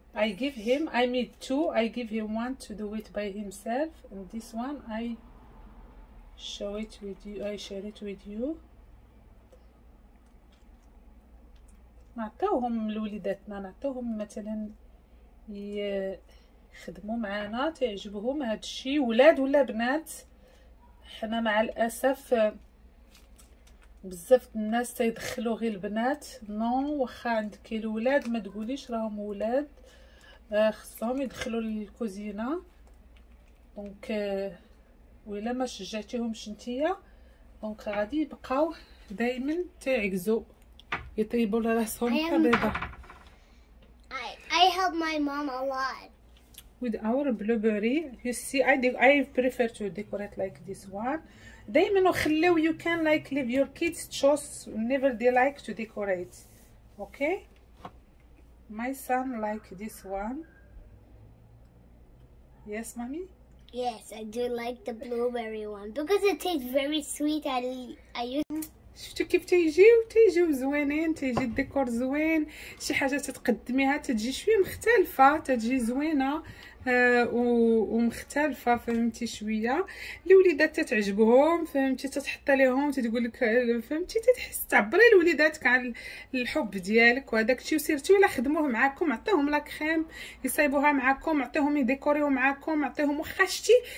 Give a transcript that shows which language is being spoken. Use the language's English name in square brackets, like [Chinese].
[English] I give him I made two I give him one to do it by himself and this one I show it with you I share it with you. [Arabic] نعطيوهم لوليداتنا نعطيوهم مثلا يخدموا معنا تعجبهم هذا الشيء ولاد ولا بنات. حنا مع الاسف بزاف الناس تيدخلوا غير البنات. نو واخا عندك الاولاد ما تقوليش راهم ولاد، خصهم يدخلوا للكوزينه. دونك ولا ما شجعتيهمش نتيا دونك غادي يبقاو دائما تعكزو يطيبوا لراسهم كبيضة. [English] I help my mom a lot with our blueberry. You see I prefer to decorate like this one. [Arabic] دائما وخليو [English] you can like leave your kids choose never they like to decorate. Okay, my son like this one. Yes mommy. Yes, I do like the blueberry one because it tastes very sweet. [Arabic] شفتو كيف تيجيو تيجيو زوينين، تيجي الديكور زوين، شي حاجه تتقدميها تجي شويه مختلفه تجي زوينه. ومختلفه فهمتي شويه، الوليدات تتعجبهم فهمتي، تتحط لهم تتقول لك فهمتي، تتحس تعبري لوليداتك عن الحب ديالك وهذاك الشيء، وسيرتي ولا خدموه معاكم، عطيهم لا كريم يصايبوها معاكم، عطيهم يديكوريو معاكم، عطيهم واخا شتي